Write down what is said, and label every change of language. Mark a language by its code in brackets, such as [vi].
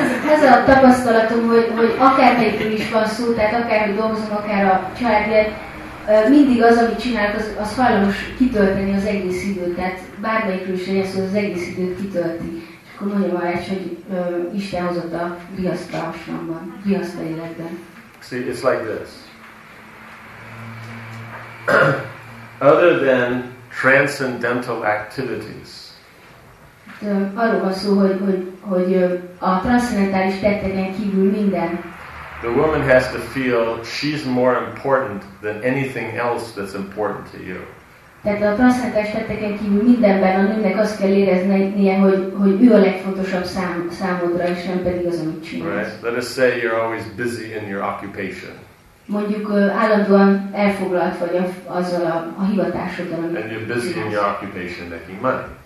[hu] Ez a tapasztalatom, hogy akármelyikről is van szó, tehát akármi dolgozom, akár a családért, mindig az, amit csinálok, az hajlamos kitölteni az egész időt, tehát bármelyikről is legyen szó, az egész időt kitölti. És akkor mondjam arra, hogy Isten hozott a Grihasta asramban, Grihasta életben. [en] See, it's like this. Other than transcendental activities, [hu] arról van szó, hogy hogy a transzcendentális tetteken kívül minden. [en] The woman has to feel she's more important than anything else that's important to you. [hu] Tehát a transzcendentális tetteken kívül mindenben a nőnek azt kell éreznie, hogy ő a legfontosabb számodra, és nem pedig az, amit csinálsz. [en] Right. Let us say you're always busy in your occupation. [hu] Mondjuk állandóan elfoglalt vagy azzal a hivatásoddal. [en] And you're busy in your occupation making money.